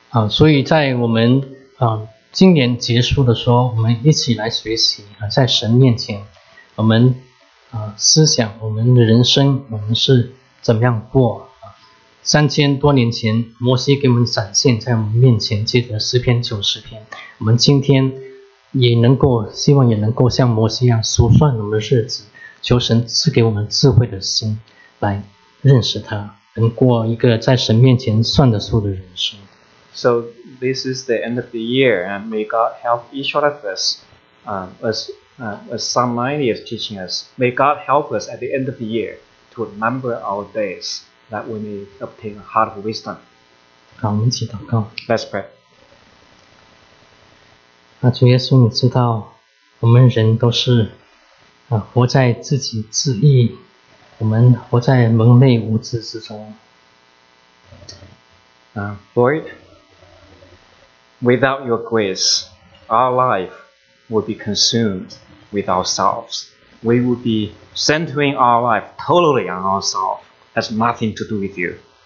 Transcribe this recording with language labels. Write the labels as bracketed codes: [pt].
[zh] 所以在我们今年结束的时候，我们一起来学习，在神面前，我们思想我们的人生，我们是怎么样过。3000多年前摩西给我们展现在我们面前，借着诗篇90篇，我们今天。也能够希望也能够像摩西一样数算我们的日子，求神赐给我们智慧的心，来认识他，能过一个在神面前算得数的人生。 [en] So this is the end of the year, and may God help each one of us, as Psalm 90 is teaching us. May God help us at the end of the year to number our days, that we may obtain a heart of wisdom. [zh] 好，我们一起祷告。 [en] Let's pray. [zh] 主耶稣，你知道我们人都是活在自己自意，我们活在蒙昧无知之中。 [en] Lord, without your grace, our life would be consumed with ourselves. We would be centering our life totally on ourselves, has nothing to do with you.